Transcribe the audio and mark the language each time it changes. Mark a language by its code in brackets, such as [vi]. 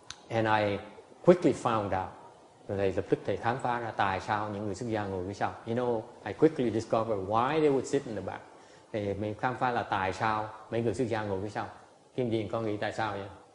[en] And I quickly found out. [vi] Thầy lập tức thầy khám phá ra tại sao những người xuất gia ngồi phía sau. [en] You know, I quickly discovered why they would sit in the back. [vi] Thầy mình khám phá là tại sao mấy người xuất gia ngồi phía sau. Kim Điền, con nghĩ tại sao vậy?